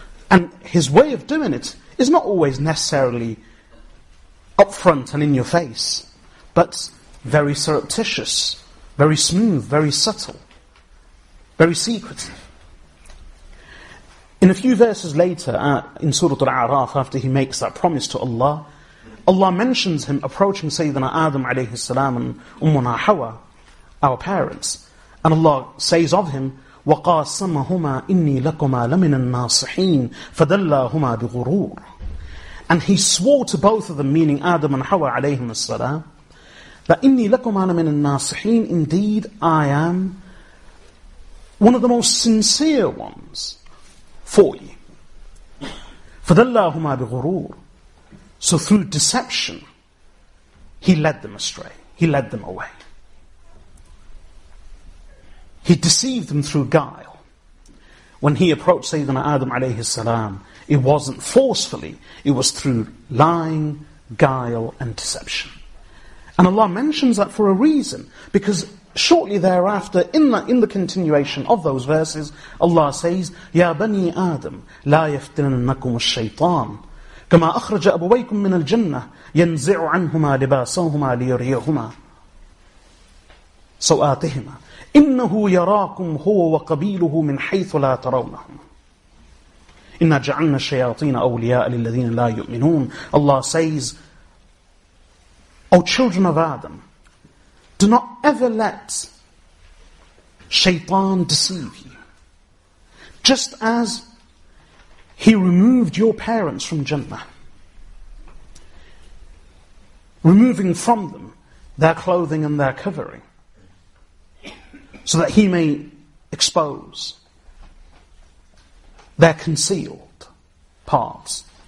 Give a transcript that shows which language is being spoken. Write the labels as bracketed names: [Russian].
[English] And his way of doing it is not always necessarily upfront and in your face, but very surreptitious, very smooth, very subtle, very secretive. In a few verses later, in Surah Al-A'raf, after he makes that promise to Allah, Allah mentions him approaching Sayyidina Adam alayhi salam and Ummuna Hawa, our parents. And Allah says of him, [Arabic] وَقَاسَمَهُمَا إِنِّي لَكُمَا لَمِنَ النَّاصِحِينَ فَدَلَّاهُمَا بِغُرُورٍ. [English] And he swore to both of them, meaning Adam and Hawa alayhim as-salam, that [Arabic] إِنِّي لَكُمَا لَمِنَ النَّاصِحِينَ. [English] Indeed, I am one of the most sincere ones for you. [Arabic] فَدَلَّاهُمَا بِغُرُورٍ. [English] So through deception, he led them astray. He led them away. He deceived them through guile. When he approached Sayyidina Adam alayhi salam, it wasn't forcefully, it was through lying, guile and deception. And Allah mentions that for a reason. Because shortly thereafter, in the continuation of those verses, Allah says, [Arabic] يَا بَنِي آدَمْ لَا يَفْتِنَنَّكُمُ الشَّيْطَانِ كَمَا أَخْرَجَ أَبَوَيْكُمْ مِنَ الْجَنَّةِ يَنْزِعُ عَنْهُمَا لِبَاسَهُمَا لِيُرِيَهُمَا سَوْآتِهِمَا إِنَّهُ يَرَاكُمْ هُوَ وَقَبِيلُهُ مِنْ حَيْثُ لَا تَرَوْنَهُمْ إِنَّا جَعَلْنَا الشَّيَاطِينَ أَوْلِيَاءَ لِلَّذِينَ لَا يُؤْمِنُونَ. [English] Allah says, O children of Adam, do not ever let shaitan deceive you. Just as he removed your parents from Jannah, removing from them their clothing and their covering, so that he may expose their concealed parts.